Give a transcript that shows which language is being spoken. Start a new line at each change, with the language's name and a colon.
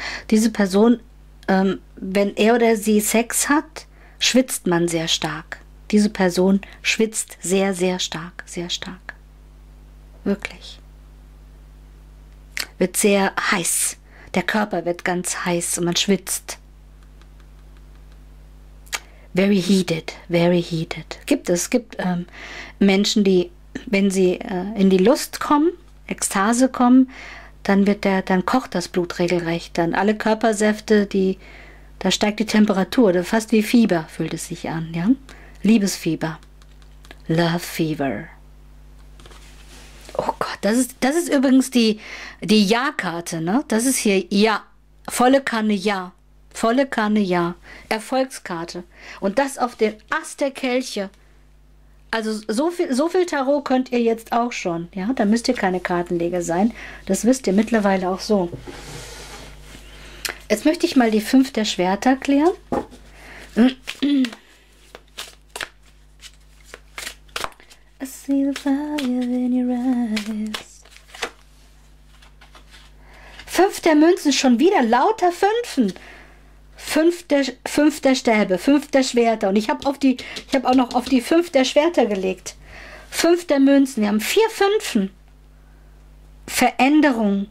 German: Diese Person, wenn er oder sie Sex hat, schwitzt man sehr stark. Diese Person schwitzt sehr, sehr stark, sehr stark. Wirklich. Wird sehr heiß. Der Körper wird ganz heiß und man schwitzt.
English: Very heated, very heated.
German: Es gibt Menschen, die, wenn sie in die Lust kommen, Ekstase kommen, dann kocht das Blut regelrecht. Dann alle Körpersäfte, da steigt die Temperatur, fast wie Fieber fühlt es sich an, ja? Liebesfieber. Love Fever. Oh Gott, das ist übrigens die Ja-Karte, ne? Das ist hier Ja. Volle Kanne Ja. Volle Kanne Ja. Erfolgskarte. Und das auf den Ast der Kelche. Also so viel Tarot könnt ihr jetzt auch schon. Ja, da müsst ihr keine Kartenleger sein. Das wisst ihr mittlerweile auch so. Jetzt möchte ich mal die 5 der Schwerter klären.
English: I see the fire in your eyes.
German: 5 der Münzen, schon wieder lauter Fünfen. Fünf der Stäbe, 5 der Schwerter. Und ich habe auch noch auf die 5 der Schwerter gelegt. 5 der Münzen. Wir haben 4 Fünfen. Veränderung.